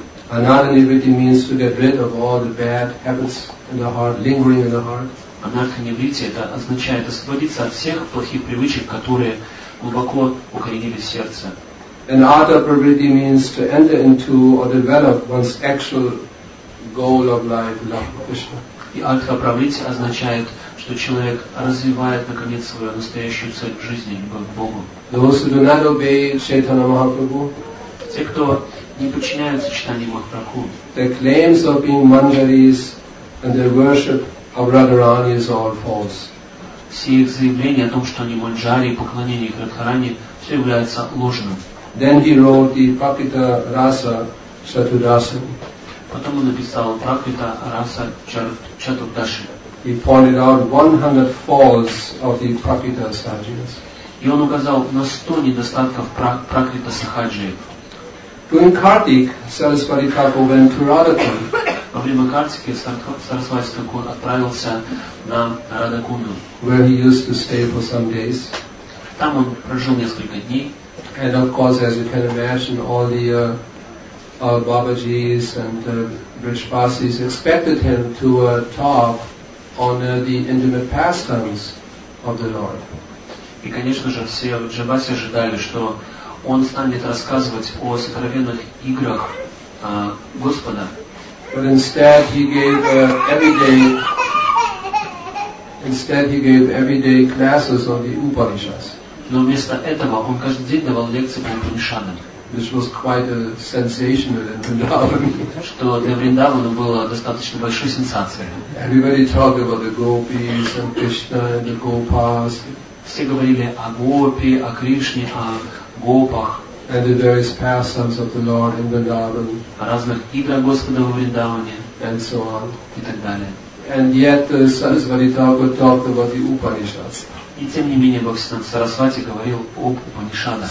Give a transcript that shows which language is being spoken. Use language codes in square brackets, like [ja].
[en] Another nivritti means to get rid of all the bad habits in the heart, lingering in the heart. [ru] Анархо-неврити — это означает освободиться от всех плохих привычек, которые глубоко укоренились в сердце. [en] And artha-pravritti means to enter into or develop one's actual goal of life, love for Krishna. [ru] И артха-pravritti означает, что человек развивает, наконец, свою настоящую цель в жизни, любовь к Богу. [en] Those who do not obey Chaitanya Mahaprabhu, [ru] те, кто не подчиняется читанию Махапрабху, [en] their claims of being manjaris and their worship of Radharani is all false. [ru] Все их заявления о том, что они манджари и поклонение их Радхарани, все является ложным. [en] Then he wrote the Prakrita Rasa Chaturdasi. [ru] Потом он написал Prakrita Rasa Chaturdasi. [en] He pointed out 100 faults of the Prakrita Sahajas. [ru] И он указал на 100 недостатков Prakrita Sahajas. [en] During Kartik, Sarasvati Thakur went to Radhakund. [ru] Во время Картики Сарасвати Тхакур отправился на Радхакунду, [en] where he used to stay for some days. [ru] Там он прожил несколько дней. [en] And of course, as you can imagine, all the Babaji's and Brajpasis expected him to talk on the intimate pastimes of the Lord. [ru] И, конечно же, все Брадхабаси ожидали, что он станет рассказывать о сокровенных играх Господа. [en] But instead he gave every day classes on the Upanishads. [ru] Но вместо этого он каждый день давал лекции по Упанишадам. [en] Which was quite a sensational in Vrindavan. [ru] Что для Вриндавана было достаточно большой сенсацией. [en] Everybody talked about the Gopis and Krishna and the Gopas. [ru] Все говорили о Гопи, о Кришне, о Гопах. [en] And the various pastimes of the Lord in Vrindavan. [ru] О разных играх Господа в Вриндаване. [en] And so on. [ru] И так далее. [en] And yet Sarasvati Thakur talked about the Upanishads. [ru] И тем не менее Бхактисиддханта Сарасвати говорил об Упанишадах.